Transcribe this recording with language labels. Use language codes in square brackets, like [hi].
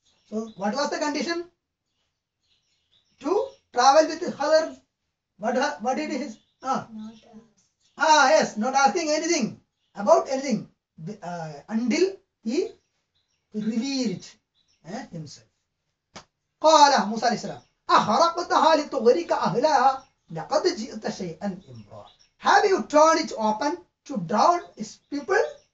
[en] So what was the condition to travel with Khidr? What did he say? Yes, not asking anything about anything until he revealed himself. [ar] قال موسى عليه السلام أخرقتها لتغرق أهلها لقد جئت شيئا إمرا. [en] Have you turned it open to drown its people?